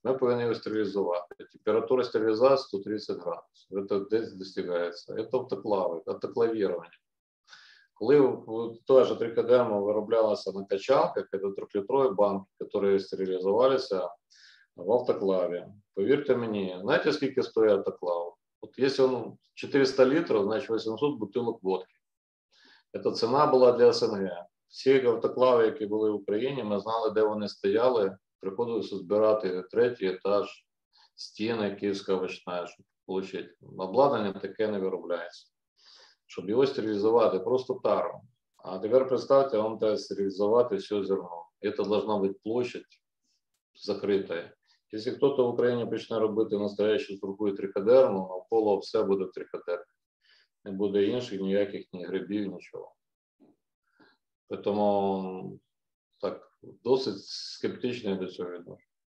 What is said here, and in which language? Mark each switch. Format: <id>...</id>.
<uk>Ми повинні його стерилізувати. Температура стерилізації 130 градусів. Це десь достигається. Це автоклавірування. Коли той же трикодерма вироблялася на качалках, це трьохлітрові банки, які стерилізувалися,</uk> <ru>в автоклаве. Поверьте мне, знаете, сколько стоит автоклав? Вот если он 400 литров, значит 800 бутылок водки. Это цена была для СНГ. Все автоклавы, которые были в Украине, мы знали, где они стояли. Приходилось собирать третий этаж, стены киевского овощная, чтобы получить.</ru> <uk>Обладнання таке не виробляється.</uk> <ru>Чтобы его стерилизовать, просто тару. А теперь представьте, он должен стерилизовать все зерно. Это должна быть площадь закрытая.</ru> <uk>Якщо хтось в Україні почне робити настоящу другу триходерму, навколо все буде триходерма. не буде інших ніяких ні грибів, нічого. Тому так досить скептично до цього відношення.</uk>